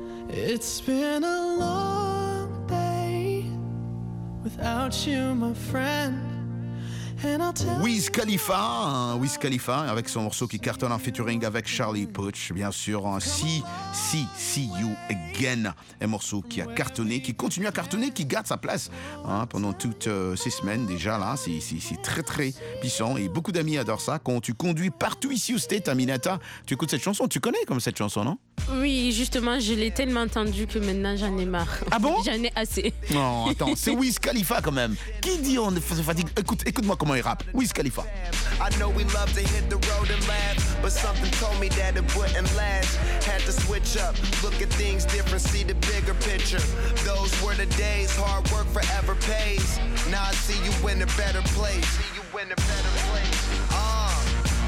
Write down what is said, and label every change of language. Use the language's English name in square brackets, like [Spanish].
[English] It's been a long day without you, my friend. And I'll tell [French] Wiz Khalifa, Wiz Khalifa, avec son morceau qui cartonne en featuring avec Charlie Puth, bien sûr. See You Again, un morceau qui a cartonné, qui continue à cartonner, qui garde sa place hein, pendant toutes ces semaines déjà. Là, c'est très, très puissant. Et beaucoup d'amis adorent ça. Quand tu conduis partout ici au State, Aminata, tu écoutes cette chanson, tu connais comme cette chanson, non? Oui, justement, je l'ai tellement entendu que maintenant j'en ai marre. Ah bon? J'en ai assez. Non, attends, c'est Wiz Khalifa quand même. Qui dit on se fatigue? Écoute-moi comment il rappe. Wiz Khalifa. [English] I know we love to hit the road and laugh, but something told me that it wouldn't last. Had to switch up, look at things different, see the bigger picture. Those were the days, hard work forever pays. Now I see you in a better place. See you in a better place.